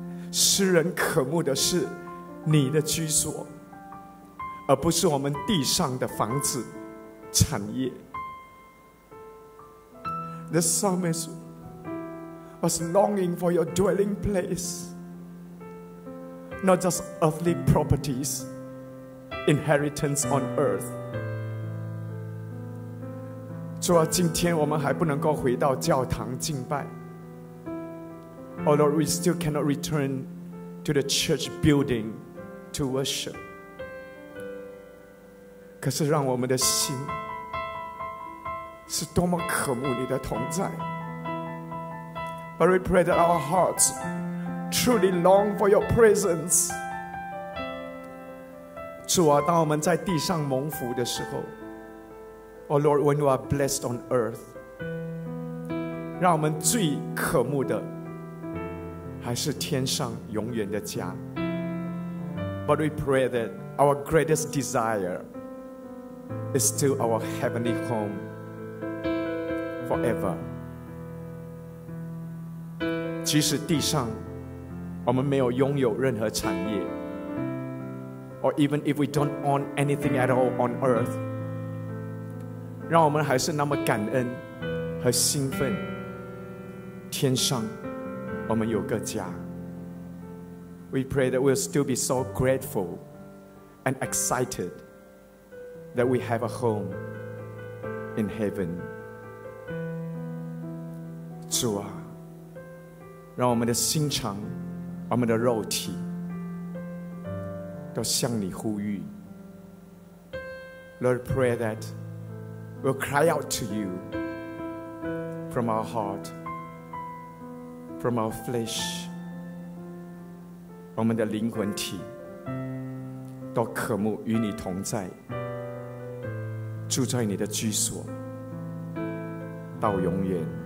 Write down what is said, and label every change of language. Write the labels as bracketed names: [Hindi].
[Chinese] 诗人渴慕的是你的居所，而不是我们地上的房子产业。 [English] The psalmist was longing for your dwelling place, not just earthly properties, inheritance on earth. [Chinese] 主啊，今天我们还不能够回到教堂敬拜， [English] Oh Lord, we still cannot returnTo the church building to worship. [Chinese] 可是让我们的心是多么渴慕你的同在。 [English] But we pray that our hearts truly long for your presence. [Chinese] 主啊，当我们在地上蒙福的时候， [English] Oh Lord, when we are blessed on earth, [Chinese] 让我们最渴慕的还是天上永远的家。 [English] But we pray that our greatest desire is still our heavenly home forever. [Chinese] 即使地上我们没有拥有任何产业， [English] or even if we don't own anything at all on earth, [Chinese] 让我们还是那么感恩和兴奋，天上我们有个家。 [English] We pray that we'll still be so grateful and excited that we have a home in heaven. [Chinese] 主啊，让我们的心肠，我们的肉体都向你呼吁。 [English] Lord, pray that we'll cry out to you from our heart. From our flesh, [Chinese] 我们的灵魂体都渴慕与你同在，住在你的居所到永远。